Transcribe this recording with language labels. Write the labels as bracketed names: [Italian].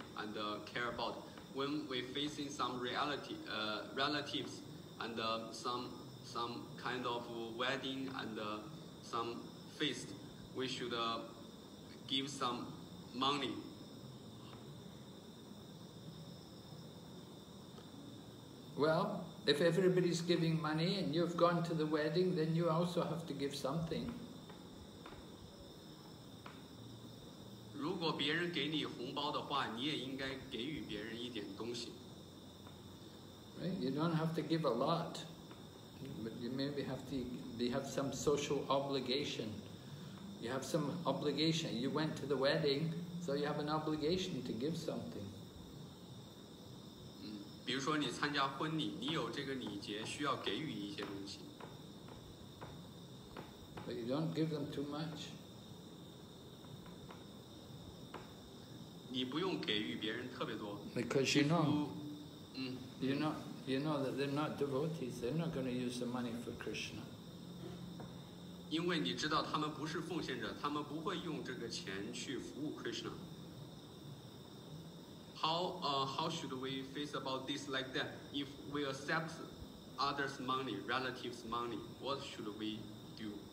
[English] and care about. When we facing some reality, relatives and some kind of wedding and some feast, we should give some money. Well, if everybody's giving money and you've gone to the wedding, then you also have to give something. [Chinese] 如果别人给你红包的话，你也应该给予别人一点东西。 [English] Right? You don't have to give a lot, but you maybe have to. You have some social obligation. You have some obligation. You went to the wedding, so you have an obligation to give something. [Chinese] 比如说你参加婚礼，你有这个礼节，需要给予一些东西。 [English] But you don't give them too much. [Chinese] 你不用给予别人特别多。 [English] Because you know, you know that they're not devotees. They're not going to use the money for Krishna. [Chinese] 因为你知道他们不是奉献者，他们不会用这个钱去服务 Krishna。 [English] How should we face about this like that? If we accept others' money, relatives' money, what should we do?